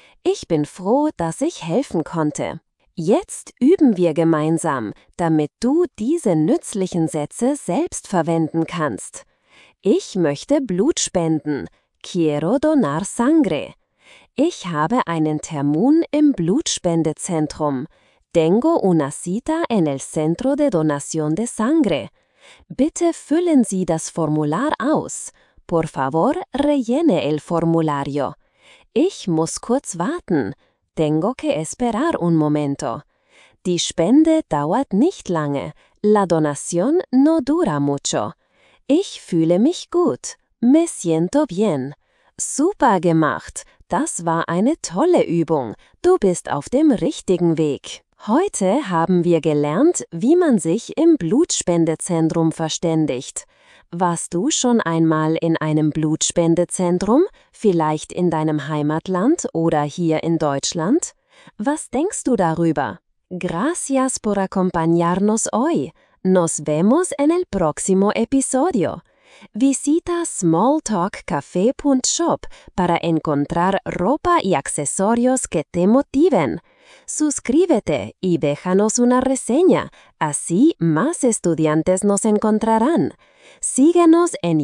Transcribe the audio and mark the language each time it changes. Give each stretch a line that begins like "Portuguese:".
German: Ich bin froh, dass ich helfen konnte. Jetzt üben wir gemeinsam, damit du diese nützlichen Sätze selbst verwenden kannst. Ich möchte Blut spenden.
Spanish: Quiero donar sangre.
German: Ich habe einen Termin im Blutspendezentrum.
Spanish: Tengo una cita en el centro de donación de sangre.
German: Bitte füllen Sie das Formular aus.
Spanish: Por favor, rellene el formulario.
German: Ich muss kurz warten.
Spanish: Tengo que esperar un momento.
German: Die Spende dauert nicht lange.
Spanish: La donación no dura mucho.
German: Ich fühle mich gut.
Spanish: Me siento bien.
German: Super gemacht. Das war eine tolle Übung. Du bist auf dem richtigen Weg. Heute haben wir gelernt, wie man sich im Blutspendezentrum verständigt. Warst du schon einmal in einem Blutspendezentrum, vielleicht in deinem Heimatland oder hier in Deutschland? Was denkst du darüber?
Spanish: Gracias por acompañarnos hoy. Nos vemos en el próximo episodio. Visita smalltalkcafe.shop para encontrar ropa y accesorios que te motiven. Suscríbete y déjanos una reseña, así más estudiantes nos encontrarán. Síguenos en YouTube e Instagram para contenido extra.